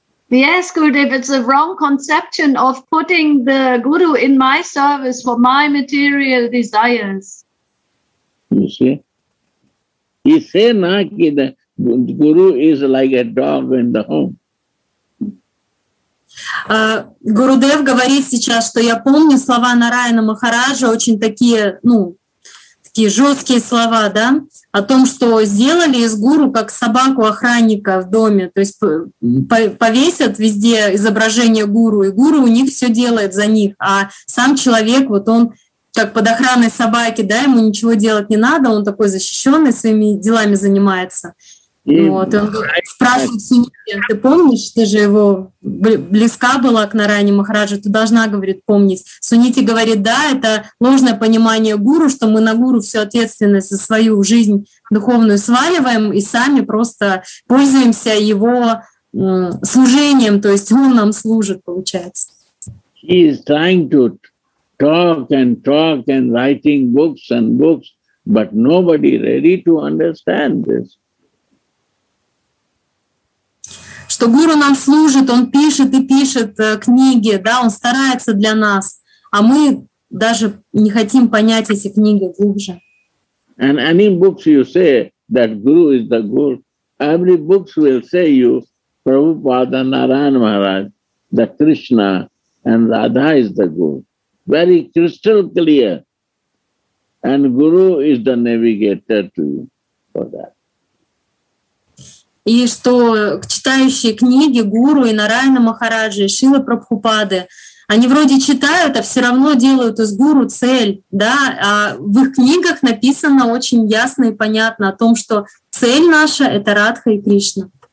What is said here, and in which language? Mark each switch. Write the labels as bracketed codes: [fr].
[en] Yes, Gurudev, it's a wrong conception of putting the guru in my service for my material desires. You see? He say na ki the guru is like a dog in the home. [ru] Гурудев говорит сейчас, что я помню слова Нараяна Махараджа, очень такие, ну, такие жесткие слова, да, о том, что сделали из гуру как собаку-охранника в доме, то есть повесят везде изображение гуру, и гуру у них все делает за них, а сам человек, вот он как под охраной собаки, да, ему ничего делать не надо, он такой защищенный, своими делами занимается. Вот, и он спрашивает Сунити, ты помнишь, ты же его близка была к Нараяне Махараджу, ты должна, говорит, помнить. Сунити говорит, да, это ложное понимание гуру, что мы на гуру всю ответственность за свою жизнь духовную сваливаем и сами просто пользуемся его служением, то есть он нам служит, получается. [en] He is trying to talk and writing books and books, but nobody ready to understand this. [ru] Что гуру нам служит, он пишет и пишет книги, да, он старается для нас, а мы даже не хотим понять эти книги глубже. [en] And any books you say that guru is the guru, every books will say you Prabhupada Narayan Maharaj, the Krishna and Radha is the guru, very crystal clear, and guru is the navigator to you for that. [ru] И что читающие книги гуру и Нараяна Махараджи, и Шрила Прабхупады, они вроде читают, а все равно делают из гуру цель, да? А в их книгах написано очень ясно и понятно о том, что цель наша — это Радха и Кришна.